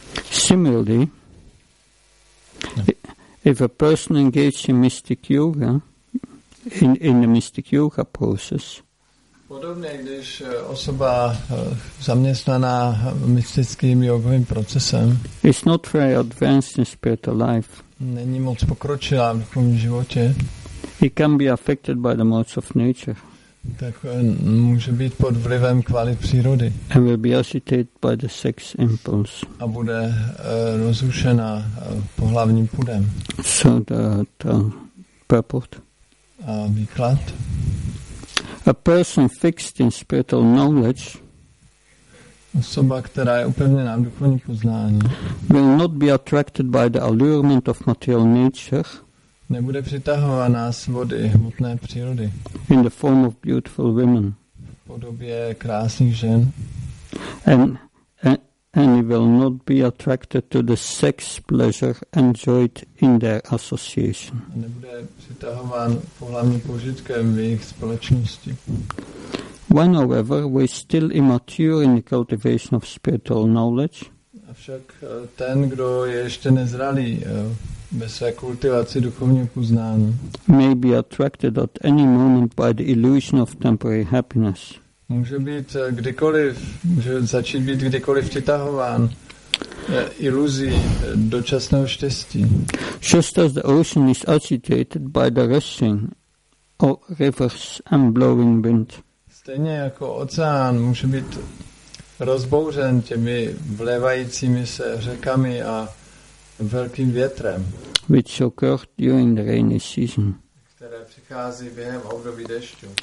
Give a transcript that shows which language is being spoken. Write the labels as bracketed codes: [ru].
[en] Similarly, if a person engages in mystic yoga, in the mystic yoga process, [cs] podobně, když osoba zaměstnaná mystickým jogovým procesem, [en] is not very advanced in spiritual life, [cs] není moc pokročilá v tom životě, [en] he can be affected by the modes of nature. [cs] Tak může být pod vlivem kvalit přírody. [en] And will be agitated by the sex impulse. [cs] A bude rozrušená pohlavním pudem. [en] So the purport. [cs] A výklad. [en] A person fixed in spiritual knowledge. [cs] Osoba, která je upevněná v duchovní poznání. [en] Will not be attracted by the allurement of material nature. [cs] Nebude přitahovaná z vody hmotné přírody. [en] In the form of beautiful women. [cs] V podobě krásných žen. [en] And he will not be attracted to the sex pleasure enjoyed in their association. [cs] A nebude přitahován pohlavním požitkem v jejich společnosti. [en] When, however, we still immature in the cultivation of spiritual knowledge. [cs] Avšak ten, kdo je ještě nezralý ve své kultivaci duchovního poznání, [en] may be attracted at any moment by the illusion of temporary happiness. [cs] Může být kdykoliv, může začít být kdykoliv přitahován iluzí dočasného štěstí. [en] Just as the ocean is agitated by the rushing or rivers and blowing wind. [cs] Stejně jako oceán může být rozbouřen těmi vlévajícími se řekami a velkým větrem, [en] which occurs during the rainy season, [cs] které přichází během období dešťu.